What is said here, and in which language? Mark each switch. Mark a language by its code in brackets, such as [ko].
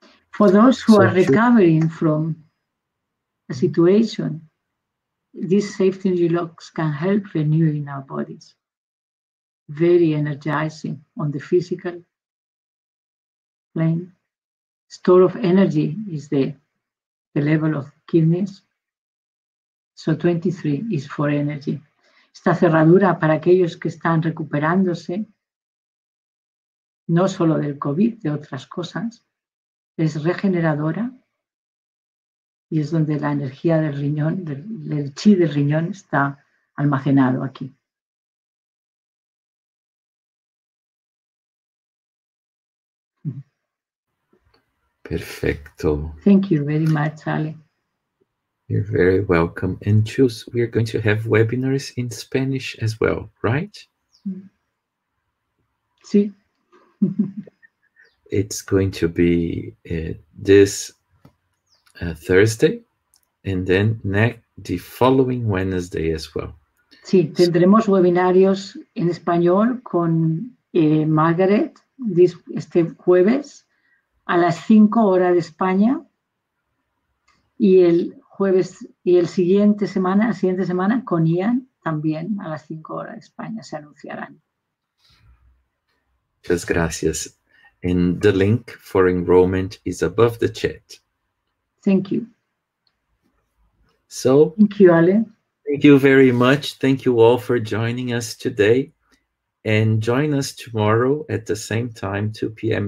[en] For those who are recovering from a situation, these safety locks can help renewing our bodies. Very energizing on the physical plane. Store of energy is the level of kidneys. So 23 is for energy. [es] Esta cerradura para aquellos que están recuperándose, no solo del COVID, de otras cosas, es regeneradora. Y es donde la energía del riñón, del chi del riñón, está almacenado aquí. Perfecto. [en] Thank you very much, Ale. You're very welcome. And Jules, we are going to have webinars in Spanish as well, right? [es] Sí. [en] It's going to be this Thursday, and then the following Wednesday as well. [es] Sí, tendremos webinarios en español con Margaret este jueves a las 5 horas de España y el jueves y el siguiente semana con Ian también a las 5 horas de España se anunciarán. Muchas gracias. [en] And the link for enrollment is above the chat. Thank you. So, thank you, Ale. Thank you very much. Thank you all for joining us today. And join us tomorrow at the same time, 2 p.m.